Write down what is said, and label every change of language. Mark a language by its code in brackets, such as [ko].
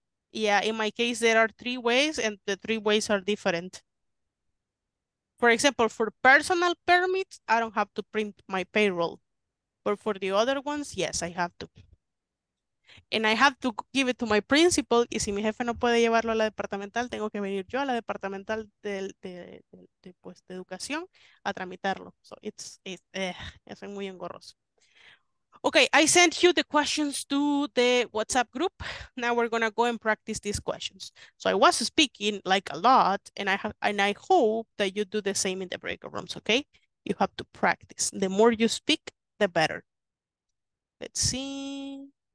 [en] Yeah, in my case, there are three ways and the three ways are different. For example, for personal permits, I don't have to print my payroll. But for the other ones, yes, I have to. And I have to give it to my principal. [es] Y si mi jefe no puede llevarlo a la departamental, tengo que venir yo a la departamental de educación a tramitarlo. [en] So it's [es] muy engorroso. [en] Okay, I sent you the questions to the WhatsApp group. Now we're gonna go and practice these questions. So I was speaking like a lot and I hope that you do the same in the breakout rooms, okay? You have to practice. The more you speak, the better. Let's see.